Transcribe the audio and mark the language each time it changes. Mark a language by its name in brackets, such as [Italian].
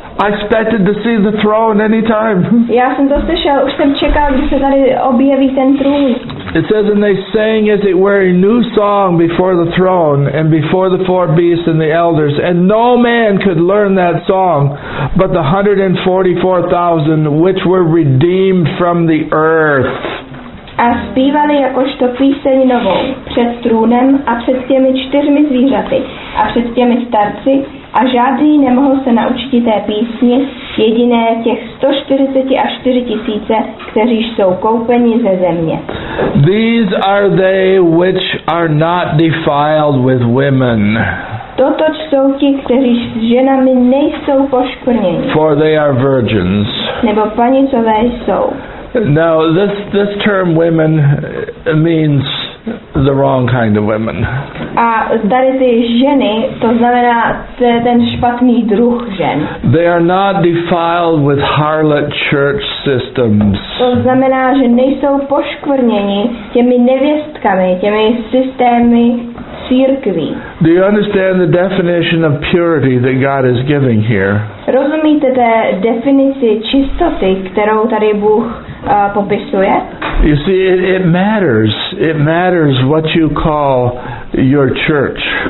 [English] I expected to see the throne anytime. [Czech] Já jsem to slyšel. Už jsem čekal, že se tady objeví ten trůn. [English] It says, and they sang as it were a new song before the throne and before the four beasts and the elders, and no man could learn that song but the 144,000 which were redeemed from the earth. [Czech] A zpívali jakožto píseň novou před trůnem a před těmi čtyřmi zvířaty a před těmi starci a žádný nemohl se naučit té písni, jediné těch 144,000, kteří jsou koupeni ze země. [English] These are they which are not defiled with women. [Czech] Toto jsou ti, kteří s ženami nejsou poškvrněni. [English] For they are virgins. [Czech] Nebo panicové jsou. [English] Now, this term women means the wrong kind of women. [Czech] A tady ty ženy, to znamená ten špatný druh žen. [English] They are not defiled with harlot church systems. [Czech] To znamená, že nejsou poškvrněni těmi nevěstkami, těmi systémy církví. [English] Do you understand the definition of purity that God is giving here? [Czech] Rozumíte té definici čistoty, kterou tady Bůh popisuje? [English] You see, it matters. It matters what you call your church.